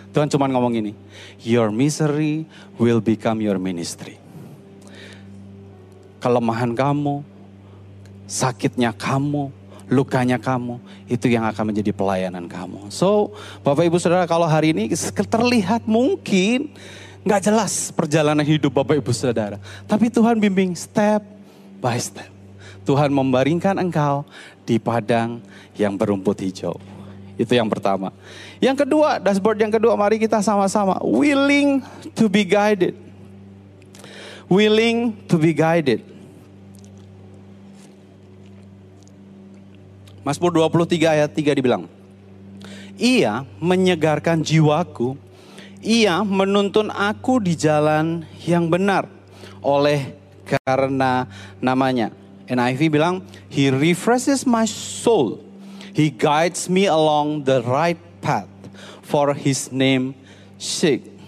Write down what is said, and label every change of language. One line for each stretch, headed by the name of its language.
Indonesian: Tuhan cuma ngomong ini,
English: your misery will become your ministry.
Indonesian: Kelemahan kamu, sakitnya kamu, lukanya kamu, itu yang akan menjadi pelayanan kamu. So, Bapak Ibu Saudara, kalau hari ini terlihat mungkin gak jelas perjalanan hidup Bapak Ibu Saudara. Tapi Tuhan bimbing
English: step by step.
Indonesian: Tuhan membaringkan engkau di padang yang berumput hijau. Itu yang pertama. Yang kedua, dashboard yang kedua, mari kita sama-sama.
English: Willing to be guided. Willing to be guided.
Indonesian: Mazmur 23 ayat 3 dibilang, ia menyegarkan jiwaku, ia menuntun aku di jalan yang benar oleh karena namanya.
English: NIV bilang, he refreshes my soul, he guides me along the right path for his name's sake.